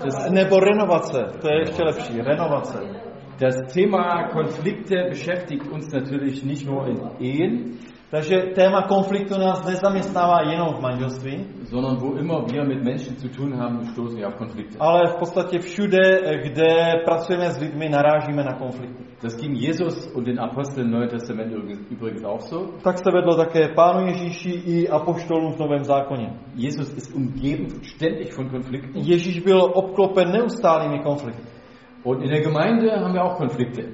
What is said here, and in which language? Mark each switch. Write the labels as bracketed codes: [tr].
[cs] Nebo renovace, to je ještě lepší, renovace. [de] Das Thema Konflikte beschäftigt uns natürlich nicht nur in Ehen, [cs] Takže téma konfliktu nás nezaměstnává jenom v manželství, [de] sondern wo immer wir mit Menschen zu tun haben, stoßen wir auf Konflikte. [cs] Ale v podstatě všude, kde pracujeme s lidmi, narážíme na konflikty. [de] Das ging Jesus und den Aposteln im Neuen Testament übrigens auch so. [cs] Tak se vedlo také Pánu Ježíši i apoštolům v Novém zákoně. [de] Jesus ist umgeben ständig von Konflikten. [cs] Ježíš byl obklopen neustálými konflikty. [de] Und in der Gemeinde haben wir auch Konflikte.